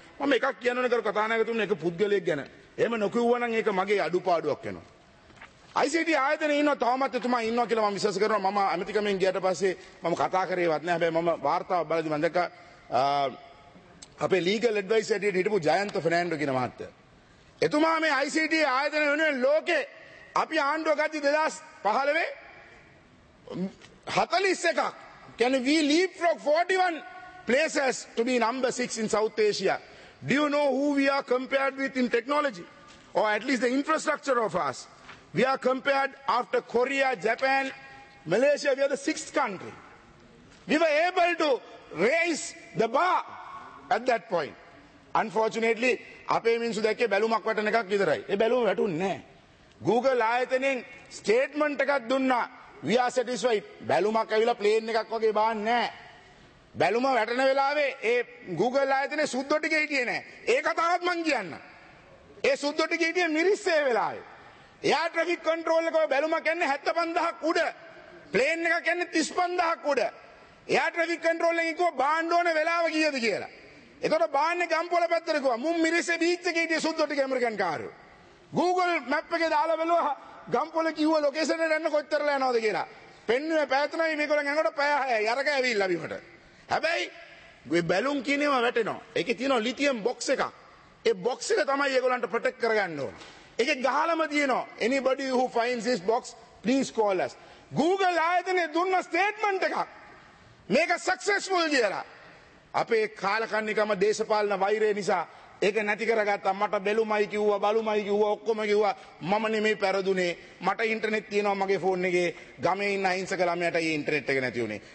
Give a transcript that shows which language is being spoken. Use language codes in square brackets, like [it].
[si] මම එකක් කියන්න ඕන කරු කතානායකතුමනි එක පුද්ගලයෙක් ගැන. එහෙම නොකියුවා නම් ඒක මගේ අඩුපාඩුවක් වෙනවා. ICT ආයතනයේ ඉන්න තවමත් එතුමා ඉන්නවා කියලා මම විශ්වාස කරනවා. මම ඇමතිකමෙන් ගියට පස්සේ මම කතා කරේවත් නැහැ. හැබැයි මම වාර්තාව බලද්දි මම දැක්කා අපේ ලීගල් ඇඩ්වයිස් ඇටියට හිටපු ජයන්ත ෆර්නැන්ඩෝ කියන මහත්තය. එතුමා මේ ICT ආයතනය වෙනුවෙන් ලෝකේ අපි ආණ්ඩුව ගත්ත 2015 41ක් [en] can we leapfrog 41 places to be number 6 in South Asia. Do you know who we are compared with in technology or at least the infrastructure of us? We are compared after Korea, Japan, Malaysia, we are the 6th country. We were able to raise the bar at that point. [si] Unfortunately, අපේ මිනිස්සු දැක්කේ බැලුමක් වටන එකක් විතරයි. ඒ බැලුම වැටුන්නේ නැහැ. Google ආයතනයෙන් statement එකක් දුන්නා. [en] We are satisfied. [si] බැලුමක් ඇවිල්ලා plane එකක් වගේ බාන්නේ නැහැ. බැලුම වැටෙන වෙලාවේ ඒ Google ආයතනයේ සුද්දොටිගේ හිටියේ නැහැ. ඒ කතාවත් මං කියන්න. ඒ සුද්දොටිගේ හිටියේ මිරිස්සේ වෙලාවේ. එයා ට්‍රැෆික් කන්ට්‍රෝල් එකේ බැලුමක් යන්නේ 75,000 උඩ. ප්ලේන් එකක් යන්නේ 35,000 උඩ. එයා ට්‍රැෆික් කන්ට්‍රෝල් එකෙන් කිව්වා බාන්න ඕනේ වෙලාව කීයද කියලා. එතකොට බාන්නේ ගම්පොළ පැත්තට කිව්වා. මුන් මිරිසේ බීච් එකේ හිටියේ සුද්දොටිගේ ඇමරිකන් කාර්. Google map එකේ දාලා බැලුවා ගම්පොළ කිව්ව ලොකේෂන් එක යන්න කොච්චරලා යනවද කියලා. පෙන්වුවේ පැහැතුනයි මේකෙන් යනකොට පැය 6යි. අරක ඇවිල්ලා බිමට. හැබැයි ওই බැලුම් කිනේම වැටෙනවා. ඒකේ තියෙනවා ලිතියම් බොක්ස් එකක්. ඒ බොක්ස් එක තමයි ඒගොල්ලන්ට ප්‍රොටෙක්ට් කරගන්න ඕන. ඒකේ ගහලම තියෙනවා [en] anybody who finds this box please call us. [si] Google ආයතනයේ දුන්න ස්ටේට්මන්ට් එකක්. මේක සක්සස්ෆුල් කියලා. අපේ කාලකන්නිකම දේශපාලන වෛරය නිසා ඒක නැති කරගත්තා. මට බැලුමයි කිව්වා, බලුමයි කිව්වා, ඔක්කොම කිව්වා. මම නෙමේ පෙරදුනේ. මට ඉන්ටර්නෙට් තියෙනවා මගේ ෆෝන් එකේ. ගමේ ඉන්න අහිංසක ළමයට ඒ ඉන්ටර්නෙට් එක නැති වුණේ.